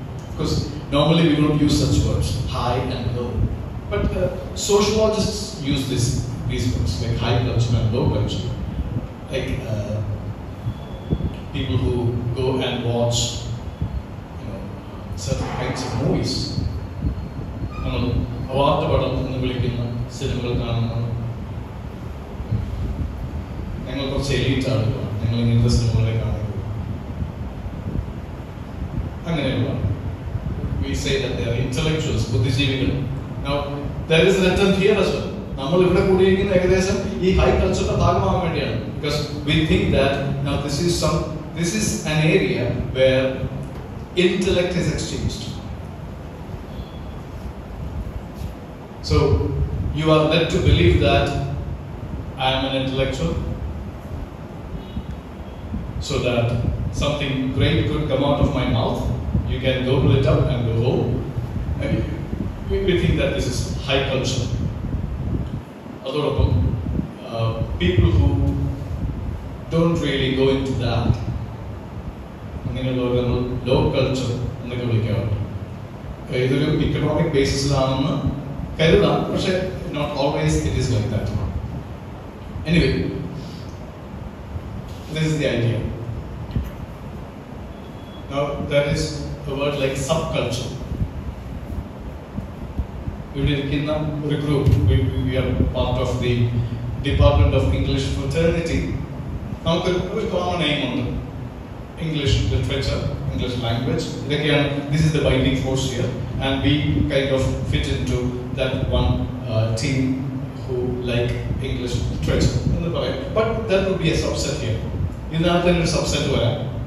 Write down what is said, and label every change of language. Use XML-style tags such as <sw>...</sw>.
<en>Because normally we don't use such words, high and low, but sociologists use these words like high culture and low culture. Like people who go and watch, you know, certain kinds of movies.</en> <ml>നമ്മൾ award പടം എന്ന് വിളിക്കുന്ന സിനിമകൾ കാണുന്നു. ഞങ്ങൾ കുറച്ച് elite ആളുകൾ, ഞങ്ങൾ ഇങ്ങനത്തെ സിനിമകളെ കാണുന്നു. അങ്ങനെയുള്ള</ml> <en>we say that they are intellectuals,</en> <ml>ബുദ്ധിജീവികൾ.</ml> <en>Now there is an attempt here as well.</en> <ml>നമ്മൾ ഇവിടെ കൂടിയിരിക്കുന്ന ഏകദേശം ഈ ഹൈ കൾച്ചറിന്റെ ഭാഗമാകാൻ വേണ്ടിയാണ്.</ml> <en>Because we think that now this is an area where intellect is exchanged. So you are led to believe that I am an intellectual, so that something great could come out of my mouth. You can Google it up and go home. And we think that this is high culture. Adorable. People who don't really go into that.</en> <ml>അങ്ങനെയുള്ള law culture എന്നൊക്കെ വിളിക്കാറുണ്ട്. ഇതൊരു economic ബേസിസിലാണെന്ന് കരുതാം, പക്ഷെ</ml> <en>Not always it is like that. Anyway, this is the idea. Now that is the word like sub culture.</en> <ml>ഇവിടെ ഇരിക്കുന്ന ഒരു group,</ml> <en>We are part of the department of English fraternity.</en> <ml>നമുക്ക് ഒരു കോമൺ എയിം ഉണ്ട്,</ml> <en>English literature, English language. Again, this is the binding force here, and we kind of fit into that one team who like English literature. But that would be a subset here. In that, then a subset where?</en>